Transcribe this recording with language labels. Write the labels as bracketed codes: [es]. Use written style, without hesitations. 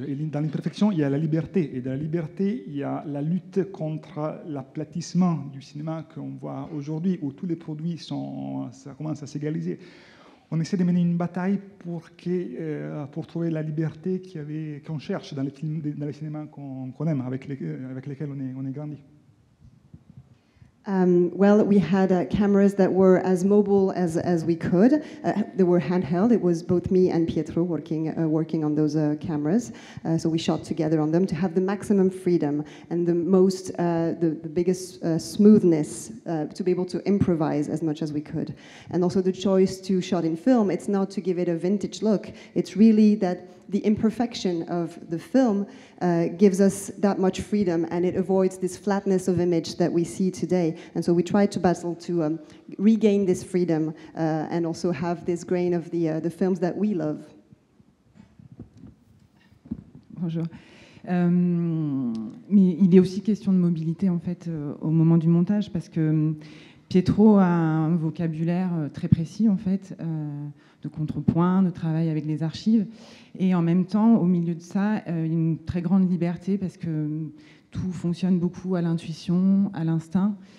[fr] Et dans l'imperfection, il y a la liberté. Et dans la liberté, il y a la lutte contre l'aplatissement du cinéma qu'on voit aujourd'hui, où tous les produits ça commence à s'égaliser. On essaie de mener une bataille pour trouver la liberté qu'on cherche dans les films, dans les cinémas qu'on aime, avec lesquels on est grandi. [en] Well, we had cameras that were as mobile as we could. They were handheld. It was both me and Pietro working on those cameras. So we shot together on them to have the maximum freedom and the most, the biggest smoothness to be able to improvise as much as we could. And also the choice to shot in film, it's not to give it a vintage look. It's really that the imperfection of the film gives us that much freedom, and it avoids this flatness of image that we see today. And so we tried to battle to regain this freedom and also have this grain of the films that we love. [fr] Bonjour. Mais il est aussi question de mobilité, en fait, au moment du montage, parce que Pietro a un vocabulaire très précis, en fait, de contrepoint, de travail avec les archives. Et en même temps, au milieu de ça, une très grande liberté, parce que tout fonctionne beaucoup à l'intuition, à l'instinct.